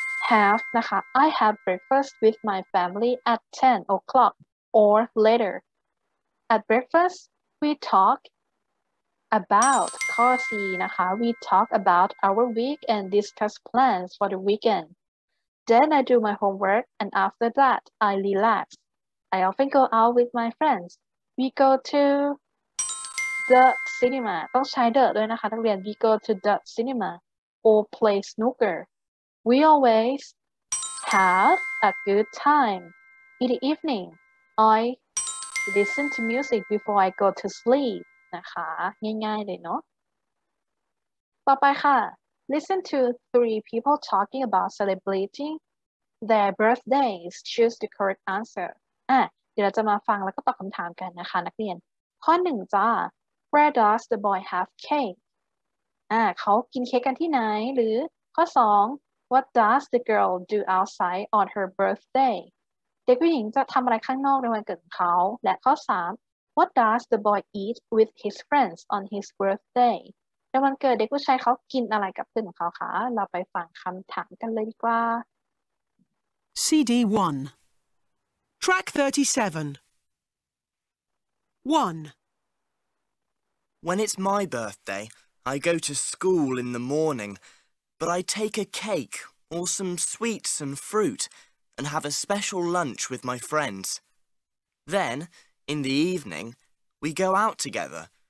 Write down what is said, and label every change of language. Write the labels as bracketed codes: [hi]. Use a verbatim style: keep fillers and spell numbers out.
[en] have นะคะ I have breakfast with my family at ten o'clock or later at breakfast we talk about [th] ข้อ C นะคะ [en] we talk about our week and discuss plans for the weekend then I do my homework and after that I relax I often go out with my friends we go to the cinema [th] ต้องใช้ the ด้วยนะคะนักเรียน [en] we go to the cinema or play snooker We always have a good time. In the evening, I listen to music before I go to sleep. [th] นะคะง่ายๆเลยเนาะต่อไปค่ะ [en] Listen to three people talking about celebrating their birthdays. Choose the correct answer. [th] อ่ะเดี๋ยวเราจะมาฟังแล้วก็ตอบคำถามกันนะคะนักเรียนข้อหนึ่งจ้า [en] Where does the boy have cake? [th] อ่ะเขากินเค้กกันที่ไหนหรือข้อสอง [en] What does the girl do outside on her birthday? [th] เด็กผู้หญิงจะทำอะไรข้างนอกในวันเกิดของเขาและข้อสาม [en] What does the boy eat with his friends on his birthday? [th] ในวันเกิดเด็กผู้ชายเขากินอะไรกับเพื่อนของเขาคะเราไปฟังคำถามกันเลยดีกว่า [en] ซี ดี one Track thirty-seven one When it's my birthday, I go to school in the morning. But I take a cake or some sweets and fruit and have a special lunch with my friends. Then, in the evening, we go out together.